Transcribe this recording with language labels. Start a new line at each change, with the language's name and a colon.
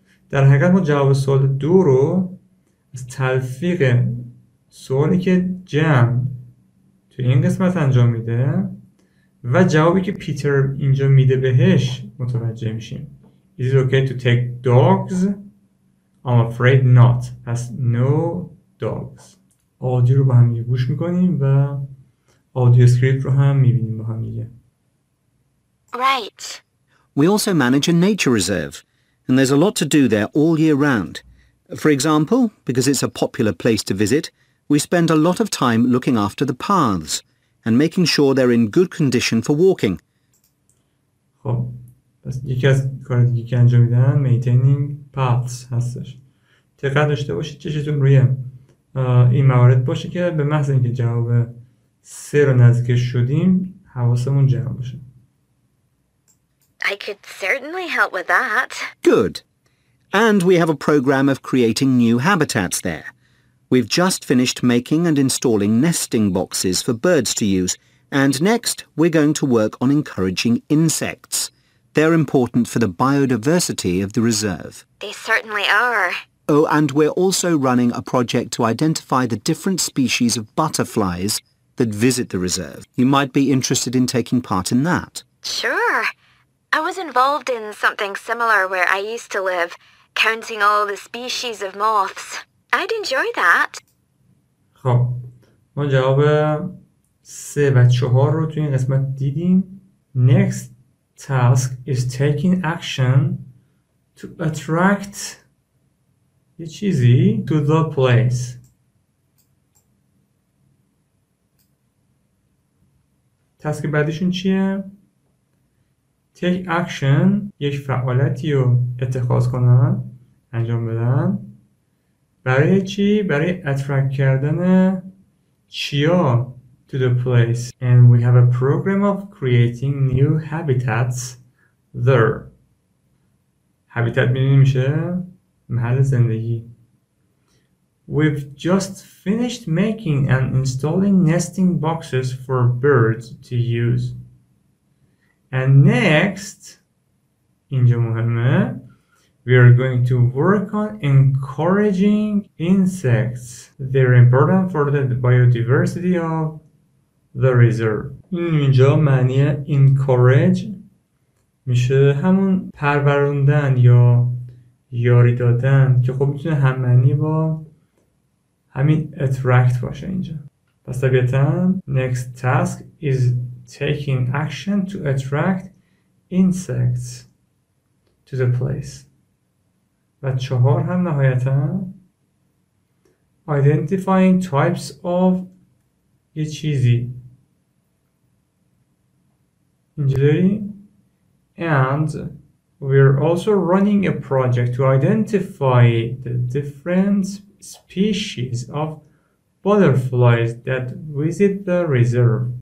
Persian: در حقیقت ما جواب سوال دو رو از تلفیق سوالی که جم توی این قسمت انجام میده و جوابی که پیتر اینجا میده بهش متوجه میشیم.
English: Is it okay to take dogs? I'm afraid not.
Persian: پس
English: no dogs.
Persian: آدیو رو با هم یه گوش میکنیم و آدیو اسکریپت رو هم میبینیم با هم یه.
English: Right. We also manage a nature reserve. And there's a lot to do there all year round. For example, because it's a popular place to visit, We spend a lot of time looking after the paths and making sure they're in good condition for walking.
Persian: خب پس یکی از کار دیگه که انجام میدن
English: maintaining paths
Persian: هستش. دقت داشته باشید چشتون روی این موارد باشه که به محض اینکه جواب سه رو نزدیک شدیم حواسمون جمع باشه.
English: I could certainly help with that. Good. And we have a program of creating new habitats there. We've just finished making and installing nesting boxes for birds to use, and next we're going to work on encouraging insects. They're important for the biodiversity of the reserve. They certainly are. Oh, and we're also running a project to identify the different species of butterflies that visit the reserve. You might be interested in taking part in that. Sure. I was involved in something similar where I used to live, counting all the species of moths. I'd enjoy that.
Persian: خب ما جواب 3 و 4 رو توی این قسمت دیدیم.
English: Next task is taking action to attract
Persian: یه چیزی
English: to the place.
Persian: task بعدیشون چیه؟
English: take action
Persian: یک فعالیتی رو اتخاذ کنن، انجام بدن. برای چی؟ برای attract کردن چیا
English: to the place. And we have a program of creating new habitats there.
Persian: habitat می‌دونی میشه محل زندگی.
English: We've just finished making and installing nesting boxes for birds to use. And next,
Persian: اینجا مهمه،
English: we are going to work on encouraging insects. They're important for the biodiversity of the reserve.
Persian: اینجا معنی encourage میشه همون پروروندن یا یاری دادن که خب میتونه هم معنی با همین attract باشه اینجا. پس طبیعتاً
English: next task is taking action to attract insects to the place.
Persian: و چهار هم نهایتا
English: identifying types of
Persian: یه چیزی اینجا داریم.
English: And we're also running a project to identify the different species of butterflies that visit the reserve.